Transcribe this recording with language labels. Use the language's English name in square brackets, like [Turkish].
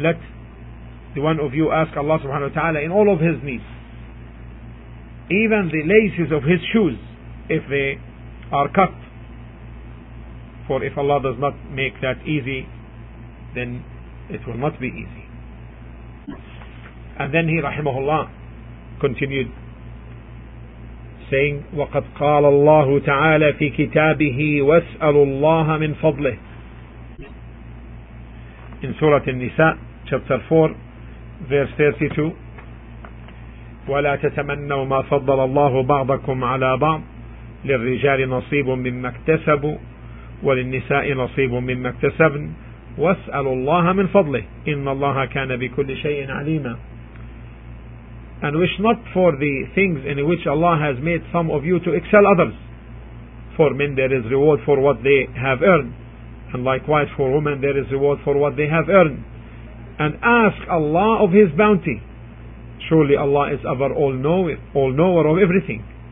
[English] Let the one of you ask Allah subhanahu wa ta'ala in all of his needs, even the laces of his shoes, if they are cut. For if Allah does not make that easy, then it will not be easy. And then he, rahimahullah, continued saying, [Arabic] وَقَدْ قَالَ اللَّهُ تَعَالَى فِي كِتَابِهِ وَاسْأَلُوا اللَّهَ مِنْ فَضْلِهِ. [English] In Surah An-Nisa, chapter 4, verse 32, [Arabic] وَلَا تَتَمَنَّوْا مَا فَضَّلَ اللَّهُ بَعْضَكُمْ عَلَى بَعْضٍ لِلرِّجَالِ نَصِيبٌ مِمَّا اكْتَسَبُوا وَلِلنِّسَاءِ نَصِيبٌ مِمَّا اكْتَسَبْنَ وَاسْأَلُوا اللَّهَ مِنْ فَضْلِهِ إِنَّ اللَّهَ كَانَ بِكُلِّ شَيْءٍ عَلِيمًا. [English] And wish not for the things in which Allah has made some of you to excel others, for men there is reward for what they have earned, and likewise for women there is reward for what they have earned. And ask Allah of His bounty. Surely Allah is ever all knower of everything.